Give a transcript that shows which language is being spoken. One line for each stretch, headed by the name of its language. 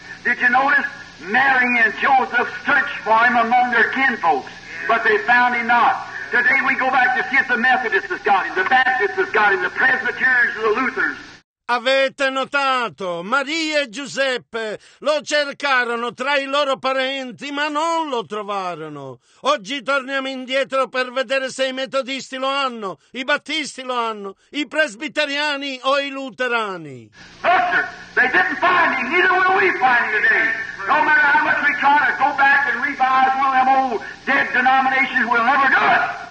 English: Did you notice Mary and Joseph searched for him among their kinfolks, but they found him not? Today we go back to see if the Methodists has got him, the Baptists has got him, the Presbyterians or the Luthers.
Italian: Avete notato, Maria e Giuseppe lo cercarono tra i loro parenti, ma non lo trovarono. Oggi torniamo indietro per vedere se i metodisti lo hanno, i battisti lo hanno, i presbiteriani o i luterani.
English: Luther, they didn't find him, neither will we find him today. No matter how much we try to go back and revive one of them old dead denominations, we'll never do it.